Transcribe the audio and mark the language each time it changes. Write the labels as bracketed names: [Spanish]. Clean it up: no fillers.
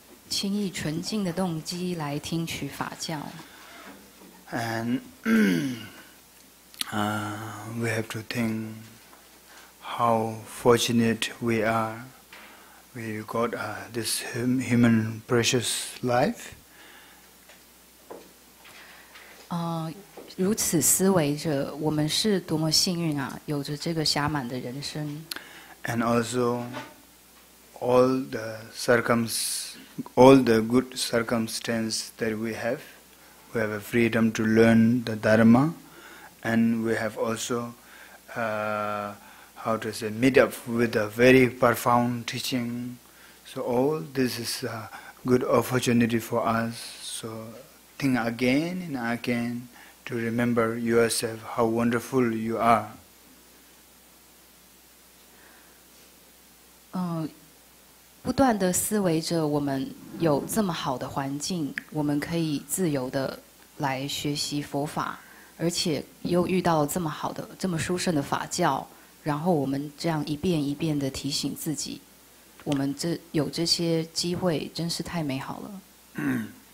[Chinese] 请以纯净的动机来听取法教。 [English] And we have to think how fortunate we are. We got this human precious life. [Chinese] 如此思维着，我们是多么幸运啊，有着这个暇满的人生。 [English] And also, all the good circumstances that we have a freedom to learn the Dharma, and we have also, meet up with a very profound teaching. So all this is good opportunity for us. So think again and again to remember yourself, how wonderful you are. [Chinese] 不断地思维着我们有这么好的环境，我们可以自由地来学习佛法，而且又遇到这么好的、这么殊胜的法教，然后我们这样一遍一遍地提醒自己，我们这有这些机会真是太美好了。